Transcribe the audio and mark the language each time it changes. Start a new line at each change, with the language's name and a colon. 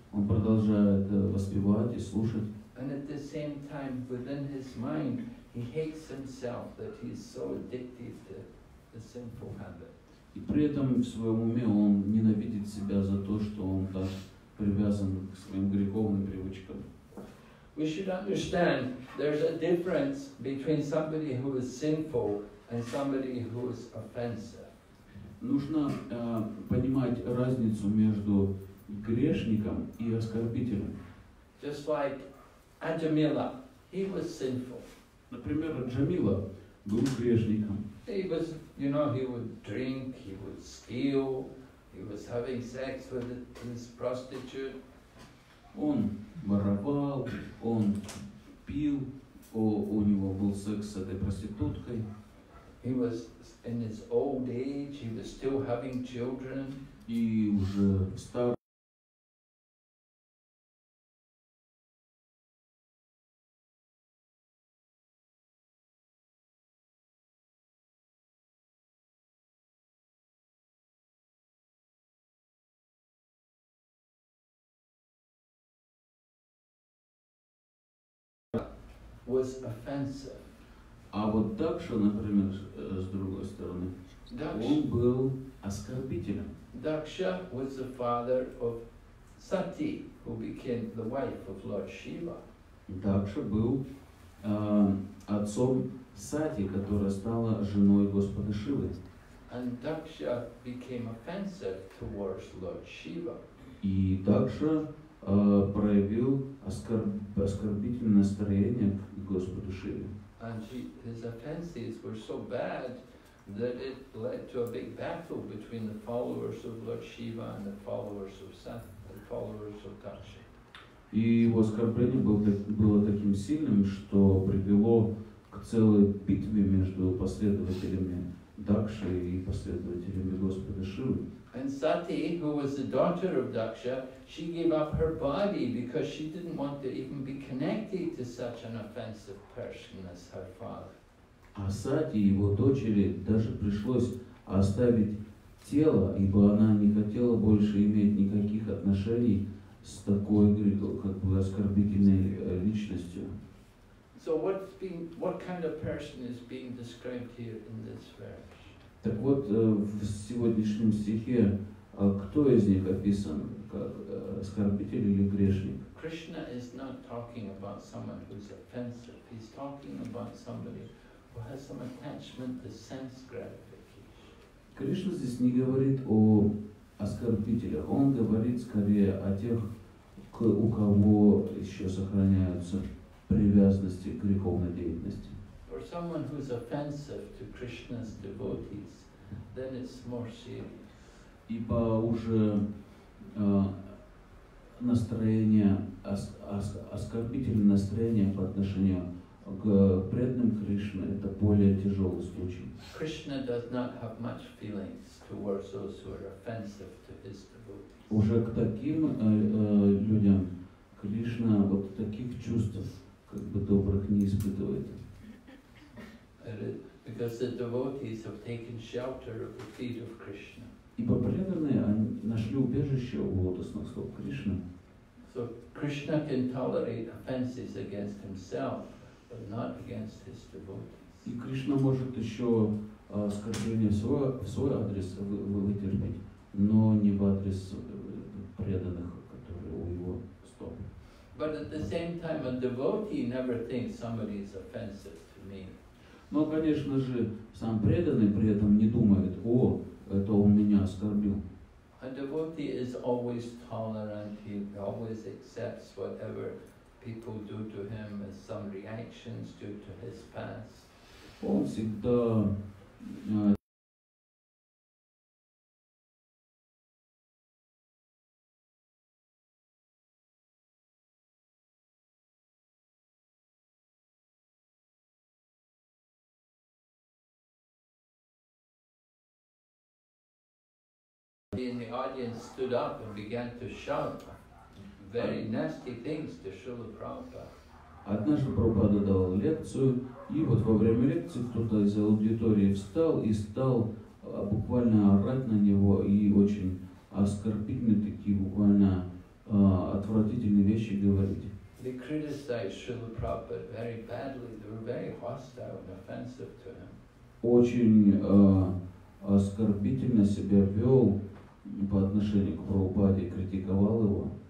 Russian: Он продолжает воспевать и слушать.
English: And at the same time, within his mind, he hates himself that he is so addicted to the sinful habit.
Russian: И при этом в своем уме он ненавидит себя за то, что он так привязан к своим греховным привычкам.
English: We should understand there's a difference between somebody who is sinful and somebody who is offensive.
Russian: Нужно понимать разницу между грешником и оскорбителем.
English: Just like Ajamila, he was sinful.
Russian: Например, Джамила был грешником.
English: He was, you know, he would drink, he would steal, he was having sex with his prostitute.
Russian: Он воровал, он пил, у него был секс с этой проституткой.
English: He was in his old age, he was still having children.
Russian: И уже старый.
English: Was offensive.
Russian: А вот Дакша, например, с другой стороны, он был оскорбителем.
English: Дакша was the father of Sati, who became the wife of Lord Shiva.
Russian: Дакша был отцом Сати, которая стала женой Господа Шивы.
English: And Дакша became offensive towards Lord Shiva.
Russian: И Дакша проявил оскорбительное настроение к Господу Шиве.
English: And his offenses were so bad that it led to a big battle between the followers of Lord Shiva and the followers of Dakshi.
Russian: И его оскорбление было таким сильным, что привело к целой битве между последователями Дакши и последователями Господа Шивы.
English: And Sati, who was the daughter of Daksha, she gave up her body because she didn't want to even be connected to such an offensive person as her father.
Russian: А Сати, его дочери, даже пришлось оставить тело, ибо она не хотела больше иметь никаких отношений с такой, как бы, оскорбительной личностью.
English: So what kind of person is being described here in this verse?
Russian: Так вот, в сегодняшнем стихе, кто из них описан как оскорбитель или грешник?
English: Krishna is not talking about someone who is offensive. He's talking about somebody who has some attachment to sense gratification.
Russian: Кришна здесь не говорит о оскорбителях. Он говорит скорее о тех, у кого еще сохраняются привязанности к греховной деятельности.
English: For someone who is offensive to Krishna's devotees, then it's more serious.
Russian: Ибо уже настроение, оскорбительное настроение по отношению к преданным Кришне, это более тяжелый случай.
English: Krishna does not have much feelings towards those who are offensive to his devotees.
Russian: Уже к таким людям Кришна вот таких чувств, как бы добрых, не испытывает.
English: Because the devotees have taken shelter at the feet of Krishna.
Russian: Ибо преданные нашли убежище у лотосных стоп Кришны.
English: So Krishna can tolerate offenses against himself, but not against his devotees.
Russian: И Кришна может еще оскорбление свой адрес вытерпеть, но не в адрес преданных, которые у его стоп.
English: But at the same time, a devotee never thinks somebody is offensive to me.
Russian: Но, конечно же, сам преданный при этом не думает, о, это он меня оскорбил.
English: A devotee is always tolerant. He always accepts whatever people do to him as some reactions due to his past.
Russian: Он всегда
English: in the audience stood up and began to shout very nasty things to Srila Prabhupada.
Russian: Однажды Прабхупада давал лекцию, и вот во время лекции кто-то из аудитории встал и стал буквально орать на него и очень оскорбительные такие буквально отвратительные вещи говорить.
English: They criticized Srila Prabhupada very badly. They were very hostile and offensive to him.
Russian: Очень оскорбительно себя вел по отношению к Прабхупаде, критиковал его.